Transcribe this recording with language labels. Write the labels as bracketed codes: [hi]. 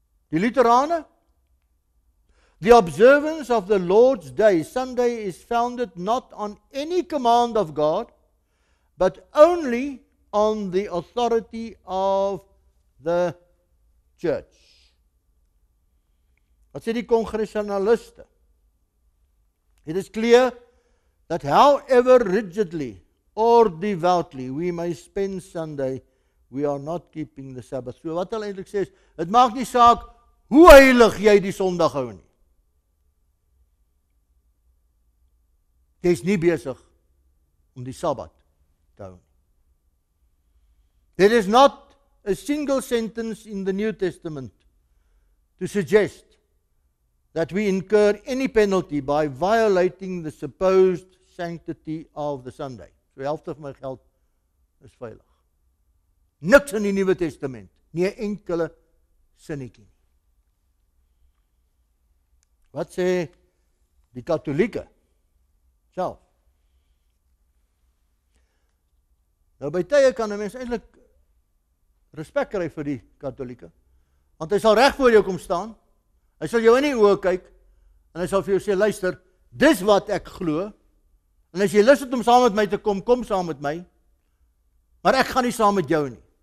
[af] Die Lutherane? [en] The observance of the Lord's Day, Sunday, is founded not on any command of God, but only on the authority of the church. [af] Wat sê die Congregationaliste? [en] It is clear that however rigidly or devoutly we may spend Sunday, we are not keeping the Sabbath. [af] So wat hulle eintlik sê is, het maak nie saak hoe heilig jy die Sondag hou nie. Jy is nie besig om die Sabbat te hou. [en] There is not a single sentence in the New Testament to suggest that we incur any penalty by violating the supposed sanctity of the Sunday. [af] So die helft van my geld is veilig. Niks in die Nuwe Testament, nie 'n enkele sinnetjie. Wat sê die Katolieke? Self. Nou by tye kan 'n mens eintlik respek kry vir die Katolieke, want hy sal reg voor jou kom staan, hy sal jou in die oë kyk, en hy sal vir jou sê, luister, dis wat ek glo, en as jy lus het om saam met my te kom, kom saam met my, maar ek gaan nie saam met jou nie.